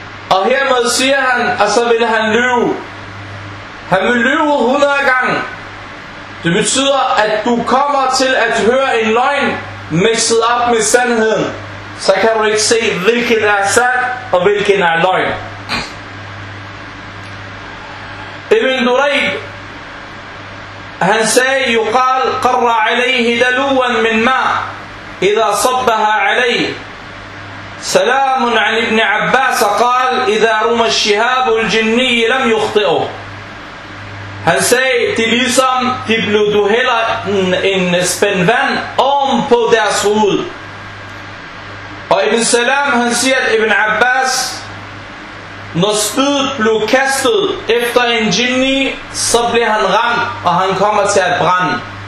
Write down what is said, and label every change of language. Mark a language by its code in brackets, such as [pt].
[da] Og hermed siger han, at så vil han lyve. Han vil lyve 100 gange. Det betyder, at du kommer til at høre en løgn mixet op med sandheden. Så kan du ikke se, hvilken er sand og hvilken er løgn. [ar] Ibn Durayb, [da] han sagde: [ar] يقال قر عليه دلوا من ماء إذا صبها عليه. سلام عن ابن عباس قال: إذا رمى الشهاب الجني لم يخطئه. [da] Han sagde, det er ligesom de blev duhellet en spænd vand om på deres hoved. Og Ibn Salam, han siger, at Ibn Abbas, når spydet blev kastet efter en jinni, så blev han ramt, og han kommer til at brænde.